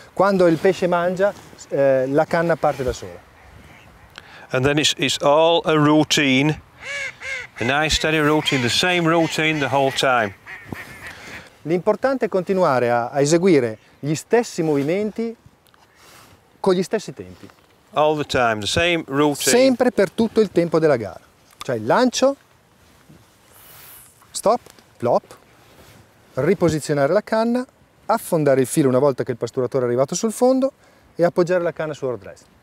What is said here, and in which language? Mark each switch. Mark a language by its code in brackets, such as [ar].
[it] Quando il pesce mangia, la canna parte da sola. [en] And then it's all a routine. A nice steady routine, the same routine the whole time. [it] L'importante è continuare a eseguire gli stessi movimenti con gli stessi tempi. [en] All the time, the same routine. [it] Sempre per tutto il tempo della gara. Cioè il lancio, stop, plop, riposizionare la canna, affondare il filo una volta che il pasturatore è arrivato sul fondo e appoggiare la canna sul rodrest.